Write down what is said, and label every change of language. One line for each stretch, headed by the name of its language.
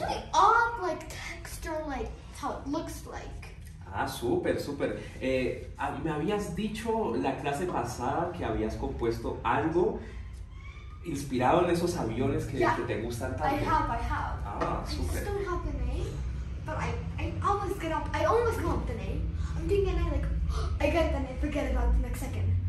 English: really odd, like texture, like how it looks like.
Spanish: Ah, super, super. Me habías dicho la clase pasada que habías compuesto algo inspirado en esos aviones que, que te gustan tanto.
English: I have. Ah, super. I just don't have the name, but I almost got the name. I'm doing it, like. I get it, then I forget about the next second.